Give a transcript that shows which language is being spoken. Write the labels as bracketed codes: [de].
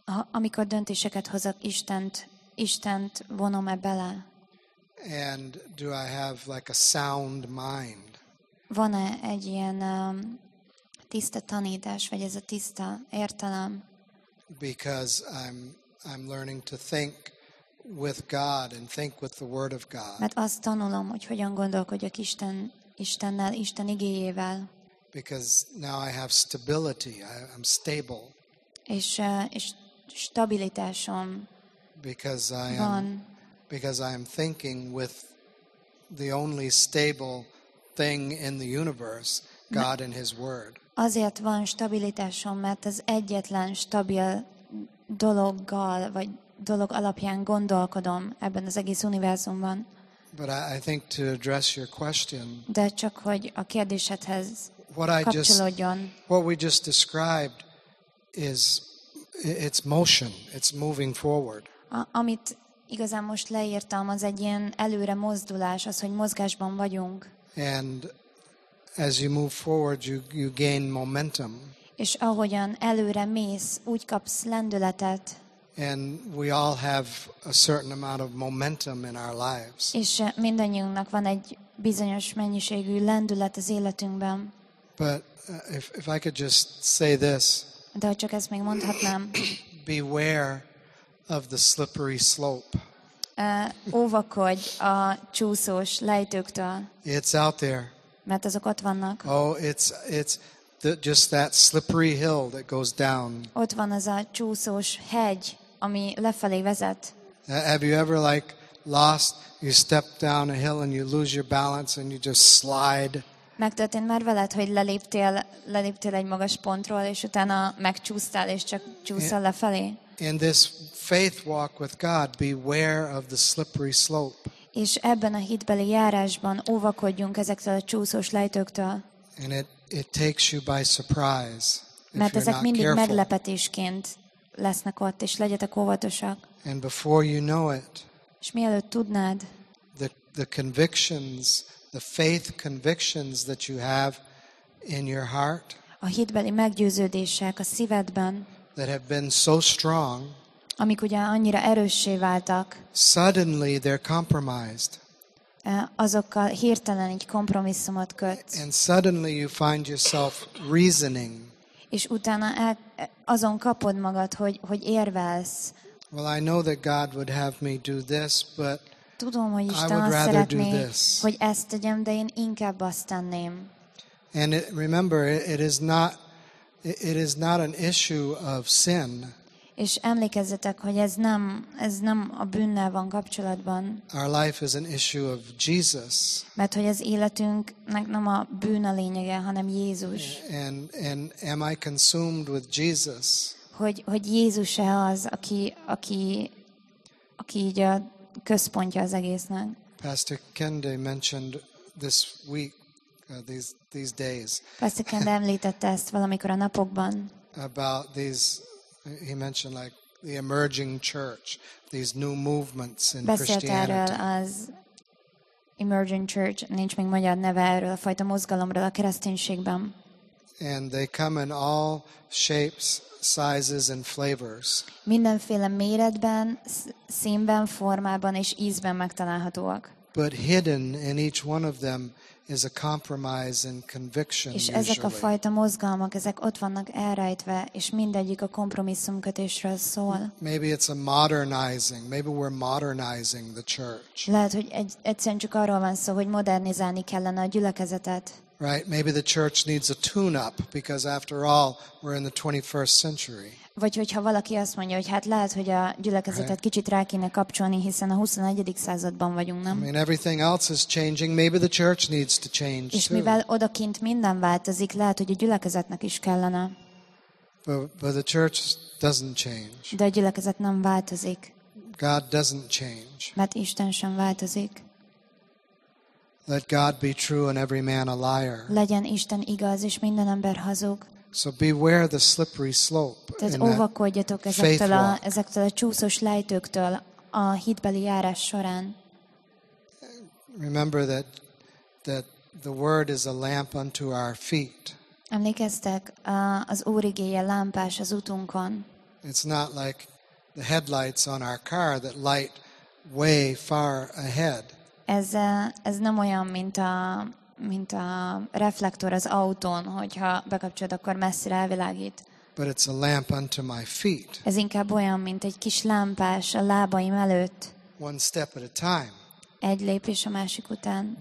[hu] Amikor döntéseket hozok, Istent vonom-e bele? [en] And do I have like a sound mind? [hu] Van-e egy ilyen tiszta tanítás, vagy ez a tiszta értelem? [en] Because I'm learning to think with God and think with the Word of God. [hu] Mert azt tanulom, hogy hogyan gondolkodjak Istennel, Isten igéjével. [en] Because now I have stability, I'm stable. [hu] És stabilitásom van. [en] Because I am thinking with the only stable thing in the universe, God and His Word. [hu] Azért van stabilitásom, mert az egyetlen stabil dologgal, vagy dolog alapján gondolkodom ebben az egész univerzumban. [en] But I think to address your question, [hu] de csak, hogy a kérdésedhez kapcsolódjon. [en] What we just described is it's motion, it's moving forward. [hu] Amit igazán most leírtam, az egy ilyen előre mozdulás, az, hogy mozgásban vagyunk. [en] And as you move forward, you gain momentum. [hu] És ahogyan előre mész, úgy kapsz lendületet. [en] And we all have a certain amount of momentum in our lives. [hu] És mindannyiunknak van egy bizonyos mennyiségű lendület az életünkben. [en] But if I could just say this. [hu] De ha csak ezt még mondhatnám. [en] Beware of the slippery slope. [hu] Óvakodj a csúszós lejtőktől. [en] It's out there. [hu] Mert azok ott vannak. [en] Oh, it's just that slippery hill that goes down. [hu] Ott van az a csúszós hegy, ami lefelé vezet. [en] Have you ever like lost, you step down a hill and you lose your balance and you just slide? [hu] Megtörtént már veled, hogy leléptél egy magas pontról, és utána megcsúsztál, és csak csúszol lefelé? [en] In this faith walk with God, beware of the slippery slope. [hu] És ebben a hitbeli járásban óvakodjunk ezektől a csúszós lejtőktől. [en] And it takes you by surprise. [hu] Mert ezek mindig meglepetésként lesznek ott, és legyetek óvatosak. [en] And before you know it, [hu] és mielőtt tudnád, [en] the convictions, the faith convictions that you have in your heart, [hu] a hitbeli meggyőződések a szívedben, [en] that have been so strong, [hu] amik ugye annyira erőssé váltak, [en] suddenly they're compromised. [hu] Azokkal hirtelen egy kompromisszumot kötsz. [en] And suddenly you find yourself reasoning. [hu] És utána azon kapod magad, hogy érvelsz. [en] Well, I know that God would have me do this, but [hu] tudom, hogy Isten azt szeretné, hogy ezt tegyem, de én inkább azt tenném. [en] And remember, it is not an issue of sin. [hu] És emlékezzetek, hogy ez nem a bűnnel van kapcsolatban. [en] Our life is an issue of Jesus. [hu] Mert hogy az életünknek nem a bűn a lényege, hanem Jézus. [en] And am I consumed with Jesus? [hu] Hogy Jézus-e az, aki így a központja az egésznek. [en] Pastor Kende mentioned this week, these days. [hu] Pastor Kende említette ezt valamikor a napokban. [en] About these, he mentioned like the emerging church, these new movements in Christianity. [hu] Beszélt erről az emerging church, nincs még magyar neve erről a fajta mozgalomról a kereszténységben. [en] And they come in all shapes, sizes and flavors. [hu] Mindenféle méretben, színben, formában és ízben megtalálhatóak. [en] But hidden in each one of them is a compromise and conviction. [hu] És ezek a fajta mozgalmak, ezek ott vannak elrejtve, és mindegyik a kompromisszumkötésről szól. [en] Maybe it's a modernizing. Maybe we're modernizing the church. [hu] Lehet, hogy egyszerűen csak arról van szó, hogy modernizálni kellene a gyülekezetet. [en] Right, maybe the church needs a tune-up because after all, we're in the 21st century. [hu] Vagy hogyha valaki azt mondja, hogy hát lehet, hogy a gyülekezetet [en] right. [hu] Kicsit rá kéne kapcsolni, hiszen a 21. században vagyunk, nem? [en] I mean, everything else is changing. Maybe the church needs to change too. [hu] És mivel odakint minden változik, lehet, hogy a gyülekezetnek is kellene. [en] But the church doesn't change. [hu] De a gyülekezet nem változik. [en] God doesn't change. [hu] Mert Isten sem változik. [en] Let God be true and every man a liar. [hu] Legyen Isten igaz, és minden ember hazug. [en] So beware the slippery slope. [hu] Tehát óvakodjatok ezektől a csúszós lejtőktől a hitbeli járás során. [en] Remember that the word is a lamp unto our feet. [hu] Emlékeztek, az Úr igéje lámpás az utunkon. [en] It's not like the headlights on our car that light way far ahead. [hu] Ez nem olyan, mint a reflektor az autón, hogyha bekapcsolod, akkor messzire elvilágít. [en] But it's a lamp unto my feet. [hu] Ez inkább olyan, mint egy kis lámpás a lábaim előtt. [en] One step at a time. [hu] Egy lépés a másik után.